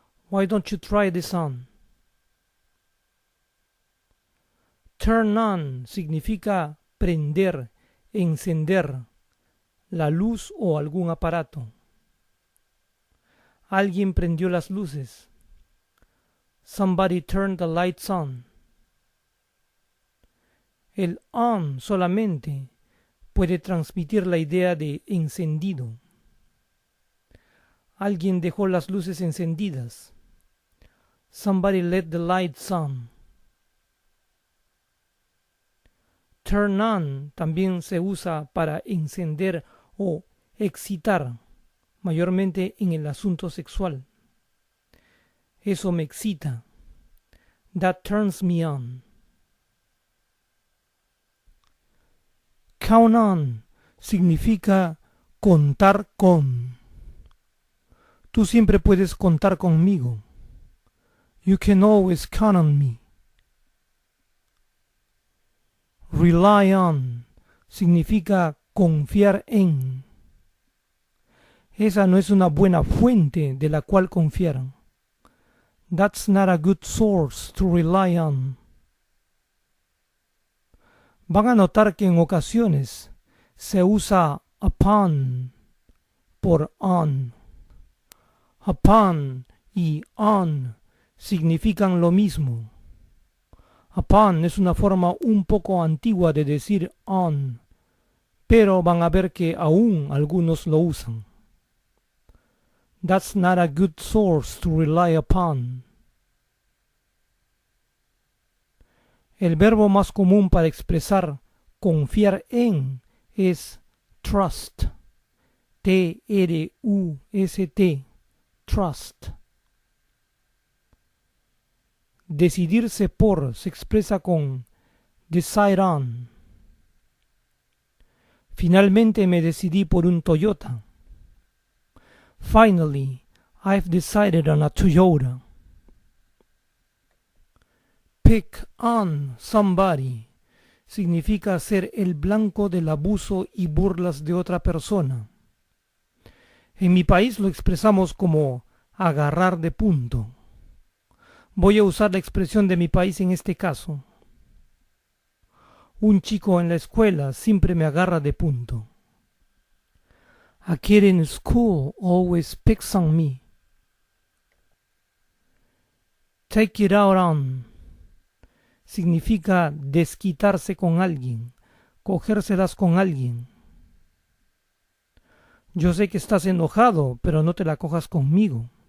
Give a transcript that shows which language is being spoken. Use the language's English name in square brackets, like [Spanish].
[English] Why don't you try this on? [Spanish] Turn on significa prender, encender la luz o algún aparato. Alguien prendió las luces. [English] Somebody turned the lights on. [Spanish] El on solamente puede transmitir la idea de encendido. Alguien dejó las luces encendidas. [English] Somebody let the lights on. [Spanish] Turn on también se usa para encender o excitar, mayormente en el asunto sexual. Eso me excita. [English] That turns me on. [Spanish] Count on significa contar con. Tú siempre puedes contar conmigo. [English] You can always count on me. [Spanish] Rely on significa confiar en. Esa no es una buena fuente de la cual confiar. [English] That's not a good source to rely on. [Spanish] van a notar que en ocasiones se usa upon por on. Upon y on significan lo mismo. Upon es una forma un poco antigua de decir on, pero van a ver que aún algunos lo usan. [English] That's not a good source to rely upon. [Spanish] El verbo más común para expresar confiar en es trust. [English] T-R-U-S-T. Trust. [Spanish] Decidirse por se expresa con decide on. Finalmente me decidí por un Toyota. [English] Finally, I've decided on a Toyota. [Spanish] Pick on somebody significa ser el blanco del abuso y burlas de otra persona. En mi país lo expresamos como agarrar de punto. Voy a usar la expresión de mi país en este caso. Un chico en la escuela siempre me agarra de punto. [English] A kid in school always picks on me. [Spanish] Take it out on significa desquitarse con alguien, cogérselas con alguien. Yo sé que estás enojado, pero no te la cojas conmigo.